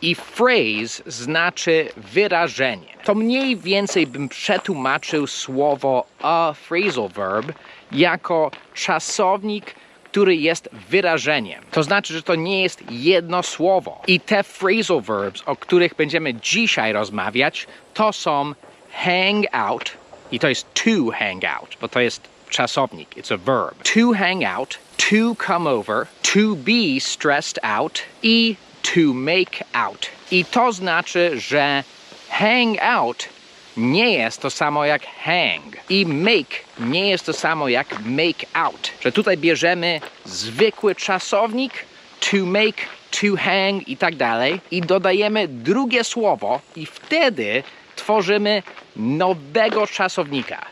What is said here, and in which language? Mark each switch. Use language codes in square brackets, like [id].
[pl] I phrase znaczy wyrażenie. To mniej więcej bym przetłumaczył słowo a phrasal verb jako czasownik, który jest wyrażeniem. To znaczy, że to nie jest jedno słowo. I te phrasal verbs, o których będziemy dzisiaj rozmawiać, to są hang out, i to jest to hang out, bo to jest czasownik, [en] it's a verb. [pl] To hang out, to come over, to be stressed out i to make out. I to znaczy, że hang out nie jest to samo jak hang i make nie jest to samo jak make out. Że tutaj bierzemy zwykły czasownik, to make, to hang i tak dalej i dodajemy drugie słowo i wtedy tworzymy nowego czasownika.